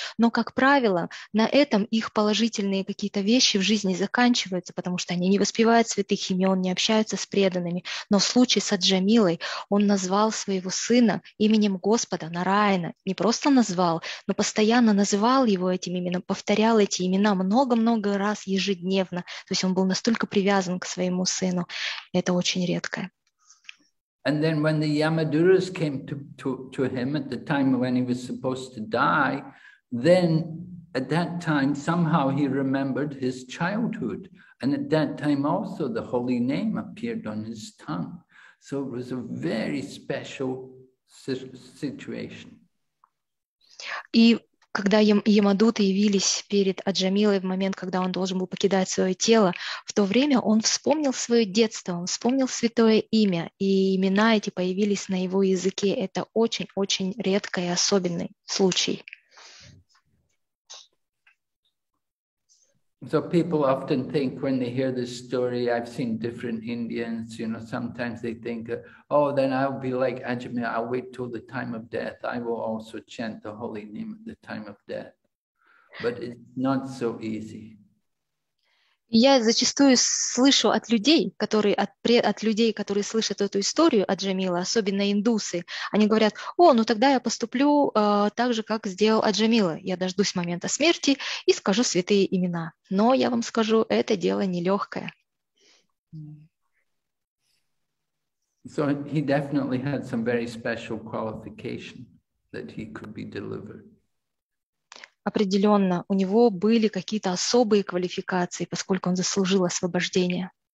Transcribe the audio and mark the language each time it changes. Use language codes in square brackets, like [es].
[ru] Но, как правило, на этом их положительные какие-то вещи в жизни заканчиваются, потому что они не воспевают святых имен, не общаются с преданными. Но в случае с Аджамилой он назвал своего сына именем Господа Нараяна. Не просто назвал, но постоянно называл его этим именем, повторял эти имена много-много раз ежедневно. То есть он был настолько привязан к своему сыну. Это очень редкое. [en] And then when the Yamaduras came to him at the time when he was supposed to die, then at that time somehow he remembered his childhood. And at that time also the holy name appeared on his tongue. So it was a very special situation. [ru] И когда Ямадуты явились перед Аджамилой в момент, когда он должен был покидать свое тело, в то время он вспомнил свое детство, он вспомнил святое имя, и имена эти появились на его языке. Это очень-очень редкий и особенный случай. [en] So people often think when they hear this story, I've seen different Indians, you know, sometimes they think, oh, then I'll be like Ajamila, I'll wait till the time of death. I will also chant the holy name at the time of death. But it's not so easy. [ru] Я зачастую слышу от людей, которые от людей, которые слышат эту историю Аджамилы, особенно индусы, они говорят: «О, ну тогда я поступлю так же, как сделал Аджамила. Я дождусь момента смерти и скажу святые имена». Но я вам скажу, это дело нелегкое. [en] So he definitely had some very special qualification that he could be delivered. [ru] Определенно, у него были какие-то особые квалификации, поскольку он заслужил освобождение.